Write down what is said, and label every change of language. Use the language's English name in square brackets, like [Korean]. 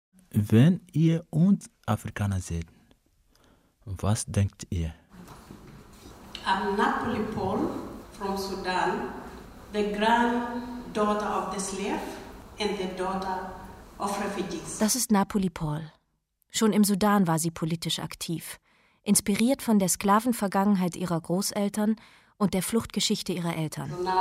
[German] Wenn ihr uns Afrikaner seht, was denkt ihr? [English] I'm Napoli Paul from Sudan, the granddaughter of the slave and the daughter of refugees. [German] Das ist Napoli Paul. Schon im Sudan war sie politisch aktiv. Inspiriert von der Sklavenvergangenheit ihrer Großeltern und der Fluchtgeschichte ihrer Eltern.